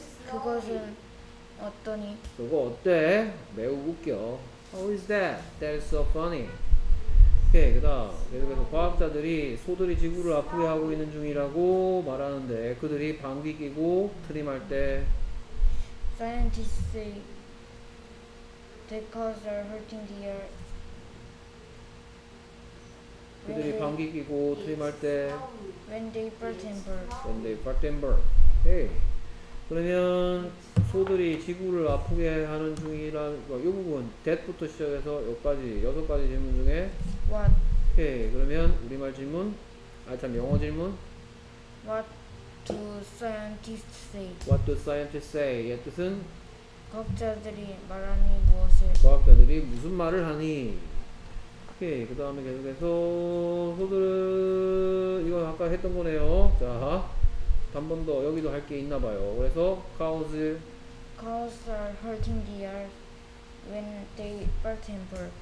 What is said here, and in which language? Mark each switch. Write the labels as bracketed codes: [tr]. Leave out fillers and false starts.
[ko] 그것은 어떠니? 그거 어때? 매우 웃겨. [en] How is that? That is so funny. [ko] 오케이, 그 다음 계속해서 과학자들이 소들이 지구를 아프게 하고 있는 중이라고 말하는데 그들이 방귀 끼고 트림할 때 [en] Scientists say that cows are hurting the earth. [ko] 그들이 방귀 끼고 트림할 때 [en] When they fart and burn. When they fart and burn. 오케이. [ko] 그러면 소들이 지구를 아프게 하는 중이라 이 부분 that부터 시작해서 여기까지 여섯 가지 질문 중에 [en] what [ko] 오케이 그러면 우리말 질문 아 참 영어 질문 [en] what do scientists say what do scientists say [ko] 얘 뜻은 과학자들이 말하니 무엇을 과학자들이 무슨 말을 하니 오케이 그 다음에 계속해서 소들은 이건 아까 했던 거네요 자 한 번 더 여기도 할 게 있나 봐요. 그래서 [en] cows are hurting the earth when they fart and burp.